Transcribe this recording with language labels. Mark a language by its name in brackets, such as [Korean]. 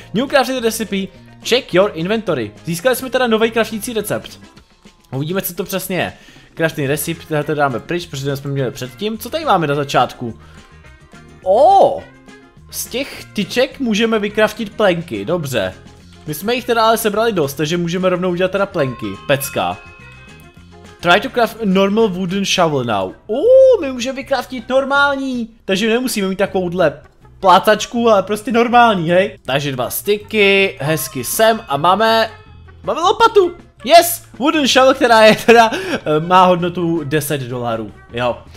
[English] New crafting recipe, check your inventory. [Czech] Získali jsme teda nový kraftící recept. Uvidíme, co to přesně je. Crafting recipe, tohle to dáme pryč, protože ten jsme měli předtím. Co tady máme na začátku? Oh! Z těch tyček můžeme vycraftit plenky, dobře. My jsme jich teda ale sebrali dost, takže můžeme rovnou udělat teda plenky. Pecka. [English] Try to craft a normal wooden shovel now. [Czech] My můžeme vycraftit normální, takže nemusíme mít takovouhle plácačku, ale prostě normální, hej. Takže dva sticky, hezky sem a máme lopatu. Yes, wooden shovel, která je teda, má hodnotu 10 dolarů, jo.